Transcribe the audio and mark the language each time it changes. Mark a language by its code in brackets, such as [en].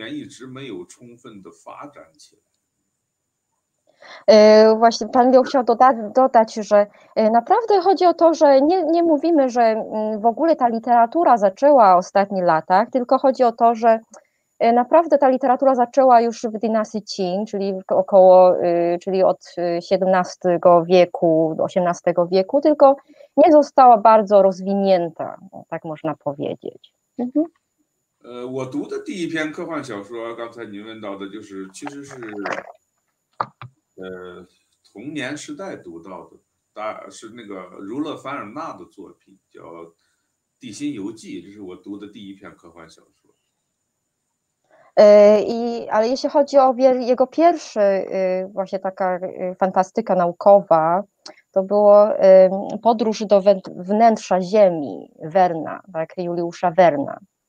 [zh] 这里先补充一下，就是中国的科幻文学，我只是说它现在处于一个很初步的阶段，它并不是刚开始。就中国的科幻文学是有比较悠久的、比较长的历史的。中国的科幻小说其实在清朝末年它就出现了，只不过是后面一直没有充分的发展起来。 [pl] Właśnie pan Liu chciał dodać, że naprawdę chodzi o to, że nie mówimy, że w ogóle ta literatura zaczęła w ostatnich latach, tylko chodzi o to, że naprawdę ta literatura zaczęła już w dynastii Qing, czyli od XVII wieku, do XVIII wieku, tylko nie została bardzo rozwinięta, tak można powiedzieć. Mhm. [zh] 我读的第一篇科幻小说，刚才您问到的，就是其实是。童年时代读到的，是那个儒勒·凡尔纳的作品，叫《地心游记》，这是我读的第一篇科幻小说。 [pl] Ale jeśli chodzi o jego pierwszy, właśnie taka fantastyka naukowa, to było Podróż do wnętrza Ziemi, Werna, tak, Juliusza Werna.